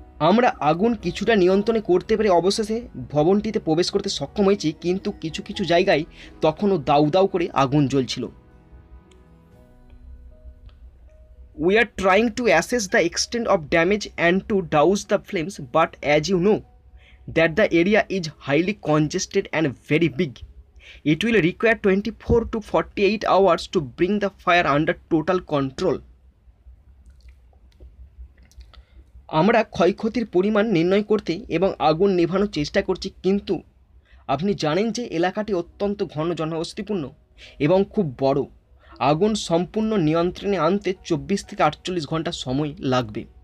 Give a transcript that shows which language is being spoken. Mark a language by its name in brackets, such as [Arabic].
[Bangla] আমরা আগুন কিছুটা নিয়ন্ত্রণে করতে পেরে অবশেষে ভবনটিতে প্রবেশ করতে সক্ষম হয়েছি, কিন্তু কিছু কিছু জায়গায় তখনও দাউ দাউ করে আগুন জ্বলছিল। [English] We are trying to assess the extent of damage and to douse the flames, but as you know that the area is highly congested and very big It will require 24 to 48 hours to bring the fire under total control. [Bangla] আমরা ক্ষয়ক্ষতির পরিমাণ নির্ণয় করতে এবং আগুন নেভানোর চেষ্টা করছি, কিন্তু আপনি জানেন যে এলাকাটি অত্যন্ত ঘন জনবসতিপূর্ণ এবং খুব বড়। আগুন সম্পূর্ণ নিয়ন্ত্রণে আনতে 24 থেকে 48 ঘন্টা সময় লাগবে।